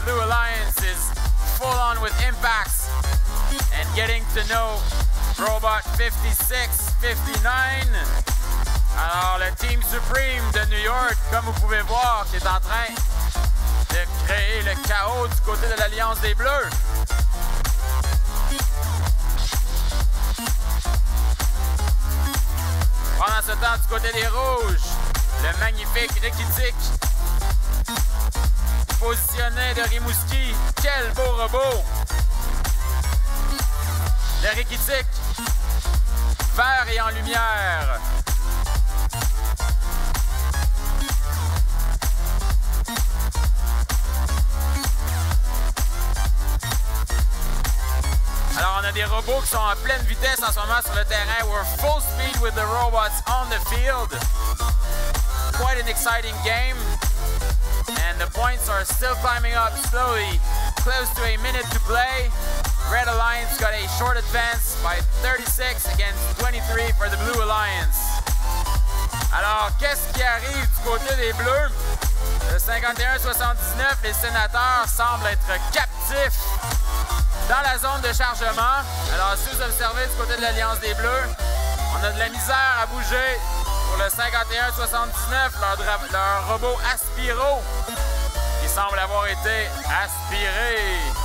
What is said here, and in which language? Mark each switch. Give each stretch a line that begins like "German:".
English: Blue Alliance is full on with Impact and getting to know Robot 56-59.
French: Alors, le Team Supreme de New York, comme vous pouvez voir, qui est en train de créer le chaos du côté de l'Alliance des Bleus. Pendant ce temps, du côté des Rouges, le magnifique Rikitic, positionné de Rimouski. Quel beau robot! Le Rikitic, vert et en lumière. Alors, on a des robots qui sont à pleine vitesse en ce moment sur le terrain.
English: We're full speed with the robots on the field. Quite an exciting game. And the points are still climbing up slowly. Close to a minute to play. Red Alliance got a short advance by 36 against 23 for the Blue Alliance.
French: Alors, qu'est-ce qui arrive du côté des Bleus? Le 51-79, les Sénateurs semblent être captifs dans la zone de chargement. Alors, si vous observez du côté de l'Alliance des Bleus, on a de la misère à bouger pour le 51-79, leur robot Aspiro, qui semble avoir été aspiré.